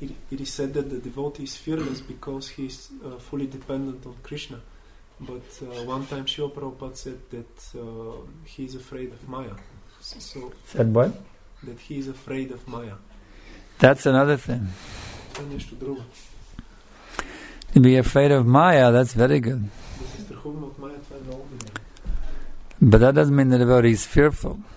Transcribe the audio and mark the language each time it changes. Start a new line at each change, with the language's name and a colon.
English: It is said that the devotee is fearless because he is fully dependent on Krishna. But one time Srila Prabhupada said that he is afraid of Maya. So said what? That he is afraid of Maya. That's another thing.
Bulgarian: Това е нещо друго.
English: To be afraid of Maya, that's very good.
Bulgarian: Да се страхуваме от Maya, това е много добре.
English: But that doesn't mean the devotee is fearful.